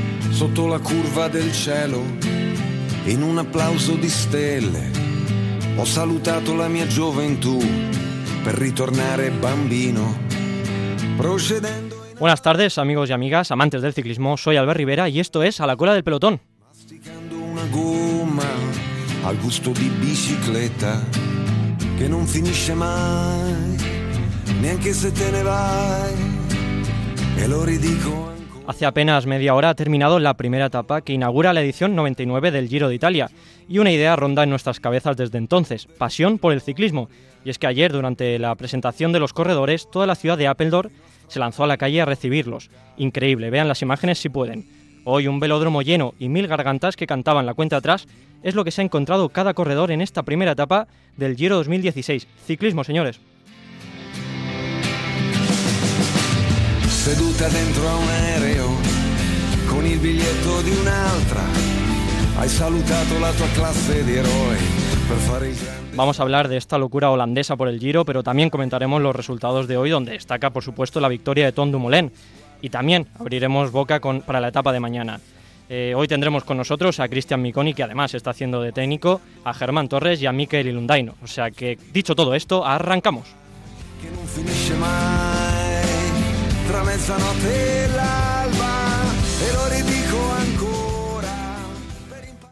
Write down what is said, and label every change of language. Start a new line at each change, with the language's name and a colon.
Italian: sotto la curva del cielo, in un applauso di stelle, ho salutato la mia gioventù per ritornare bambino, procedendo.
Spanish: Buenas tardes, amigos y amigas, amantes del ciclismo. Soy Albert Rivera y esto es A la cola del pelotón.
Italian: Masticando una goma al gusto di bicicletta che non finisce mai, neanche se te ne vai, e lo ridico.
Spanish: Hace apenas media hora ha terminado la primera etapa que inaugura la edición 99 del Giro de Italia, y una idea ronda en nuestras cabezas desde entonces: pasión por el ciclismo. Y es que ayer, durante la presentación de los corredores, toda la ciudad de Apeldoorn se lanzó a la calle a recibirlos. Increíble, vean las imágenes si pueden. Hoy un velódromo lleno y mil gargantas que cantaban la cuenta atrás es lo que se ha encontrado cada corredor en esta primera etapa del Giro 2016. Ciclismo, señores.
Italian: Seduta dentro a un aereo, con il biglietto di un'altra, hai salutato la tua classe di eroi per fare il grande.
Spanish: Vamos a hablar de esta locura holandesa por el Giro, pero también comentaremos los resultados de hoy, donde destaca, por supuesto, la victoria de Tom Dumoulin. Y también abriremos boca para la etapa de mañana. Hoy tendremos con nosotros a Cristian Micconi, que además está haciendo de técnico, a Germán Torres y a Mikel Ilundaino. O sea que, dicho todo esto, ¡arrancamos!
Italian: Que no finisce mai, tra mezzanotte e l'alba, e lo ridico ancora per